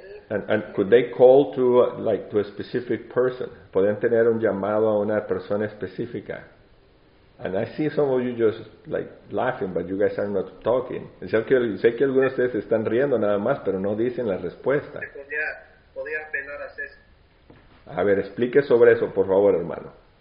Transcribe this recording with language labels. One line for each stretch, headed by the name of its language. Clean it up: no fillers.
English: And could they call to like to a specific person?
Spanish: Pueden tener un llamado a una persona específica.
English: And I see some of you just like laughing, but you guys are not talking.
Spanish: Sé que algunos de ustedes están riendo nada más, pero no dicen la respuesta. Podía apelar a César. A ver, explique sobre eso, por favor, hermano.